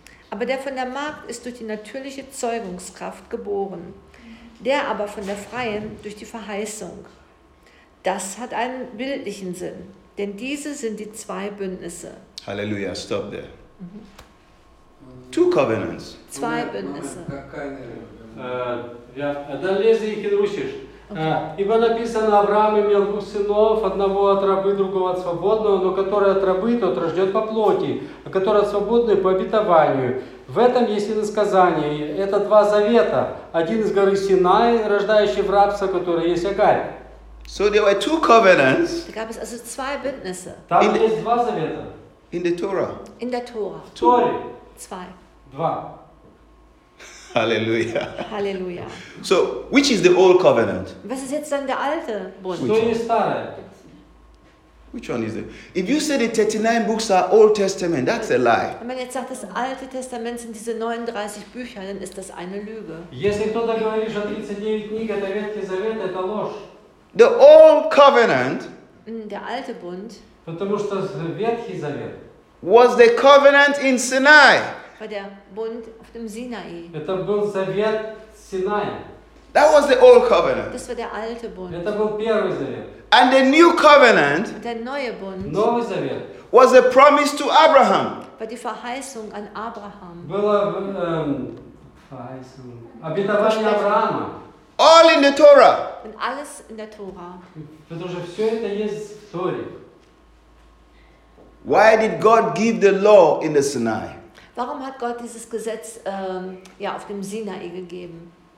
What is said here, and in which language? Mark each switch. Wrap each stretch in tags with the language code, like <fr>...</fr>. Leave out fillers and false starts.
<de>Aber der von der Magd ist durch die natürliche Zeugungskraft geboren, der aber von der Freien durch die Verheißung. Das hat einen bildlichen Sinn, denn diese sind die zwei Bündnisse.</de> <en>Halleluja, stop there. Two covenants.</en> <de>Zwei Bündnisse. Dann lese ich in Russisch.</de> <ru>Ибо написано, Авраам имел двух сынов, одного от рабы, другого от свободного, но который от рабы, тот рожден по плоти, а который от свободной по обетованию. В этом есть иносказание. Это два завета. Один из горы Синай, рождающий в рабство, которое есть Агарь.</ru> <en>So there were two covenants.</en> <de>Gab es also zwei Bündnisse.</de> <ru>Там in есть два завета.</ru> <en>In the Torah.</en> <de>In der Torah.</de> <ru>Торе.</ru> <de>Zwei.</de> <ru>Два.</ru> <en>Hallelujah. Hallelujah. So, which is the old covenant?</en> <de>Was ist jetzt dann der alte Bund?</de> <en>Which one is the? Which one is the? If you say the 39 books are Old Testament, that's a lie.</en> <de>Wenn man jetzt sagt, das alte Testament sind diese 39 Bücher, dann ist das eine Lüge.</de> <ru>Если кто-то говорит, что 39 книг это Ветхий Завет, это ложь.</ru> <en>The old covenant.</en> <de>Der alte Bund.</de> <ru>Потому что Ветхий Завет.</ru> <en>Was the covenant in Sinai?</en> <de>War der Bund auf dem Sinai.</de> <ru>Это был Завет Синай.</ru> <en>That was the old covenant.</en> <de>Das war der alte Bund.</de> <ru>Это был первый Завет.</ru> <en>And the new covenant.</en> <de>Und der neue Bund.</de> <ru>Новый Завет.</ru> <en>Was a promise to Abraham.</en> <de>War die Verheißung an Abraham.</de> <ru>Была</ru> <de>Verheißung.</de> <ru>Обетование Авраама.</ru> <en>All in the Torah.</en> <de>Und alles in der Tora.</de> <ru>Потому что все это есть в Торе.</ru> <en>Why did God give the law in the Sinai?</en> <de>Warum hat Gott dieses Gesetz auf dem Sinai gegeben?</de>